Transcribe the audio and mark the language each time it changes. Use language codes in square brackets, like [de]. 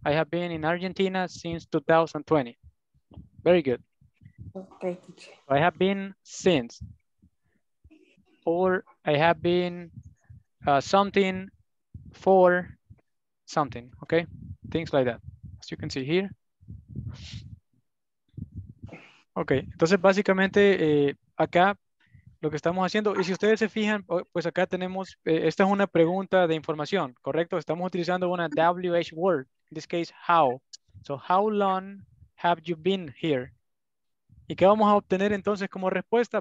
[en] I have been in Argentina since 2020. Very good. Okay. I have been since, or I have been something for something, okay? Things like that, as you can see here. [es] Ok, entonces básicamente acá lo que estamos haciendo, y si ustedes se fijan, pues acá tenemos, esta es una pregunta de información, ¿correcto? Estamos utilizando una WH word, [en] in this case, how. So, how long have you been here? [es] ¿Y qué vamos a obtener entonces como respuesta?